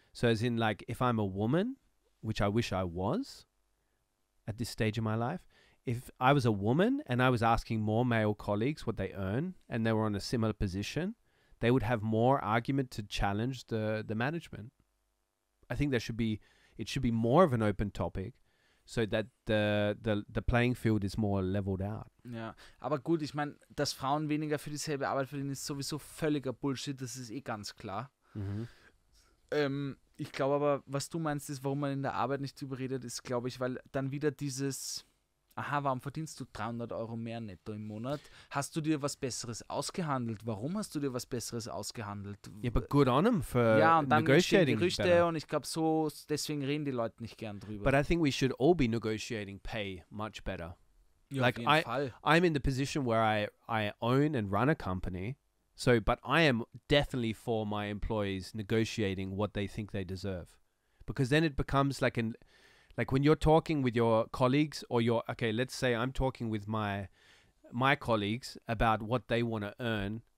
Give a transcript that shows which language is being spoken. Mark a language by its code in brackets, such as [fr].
[en] So as in like, if I'm a woman, which I wish I was at this stage of my life, if I was a woman and I was asking more male colleagues what they earn and they were on a similar position, they would have more argument to challenge the management. I think it should be more of an open topic so that the playing field is more leveled out. [de] Ja, aber gut, ich meine, dass Frauen weniger für dieselbe Arbeit verdienen, ist sowieso völliger Bullshit, das ist eh ganz klar. Mhm. Ich glaube aber, was du meinst, ist, warum man in der Arbeit nicht drüber redet, ist, glaube ich, weil dann wieder dieses, aha, warum verdienst du 300 Euro mehr netto im Monat? Hast du dir was Besseres ausgehandelt? Warum hast du dir was Besseres ausgehandelt? [en] Ja, but good on them for [de] negotiating. Ja, und dann entstehen Gerüchte [en] better. [de] Und ich glaube, so, deswegen reden die Leute nicht gern drüber. [en] But I think we should all be negotiating pay much better. [de] Ja, [en] like [de] auf jeden Fall. [en] I'm in the position where I own and run a company, so but I am definitely for my employees negotiating what they think they deserve, because then it becomes like when you're talking with your colleagues or your okay, let's say I'm talking with my colleagues about what they want to earn.